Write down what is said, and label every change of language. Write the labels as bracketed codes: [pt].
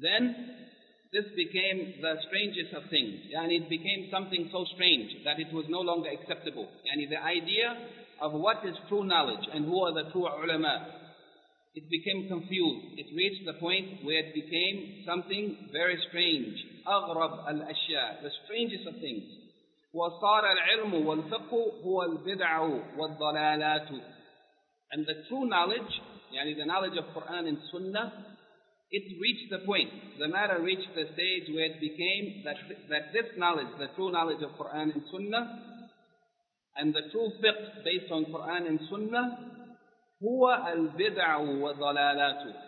[en] Then this became the strangest of things. And it became something so strange that it was no longer acceptable. And the idea of what is true knowledge and who are the true ulama, it became confused. It reached the point where it became something very strange. [ar] أغرب الأشياء, [en] the strangest of things. [ar] وصار العلم والفقه هو البدع والضلالات. [en] And the true knowledge, يعني the knowledge of Quran and Sunnah, it reached the point, the matter reached the stage where it became that this knowledge, the true knowledge of Quran and Sunnah, and the true fiqh based on Quran and Sunnah, [ar] huwa al-bid'a wa dhalalatu.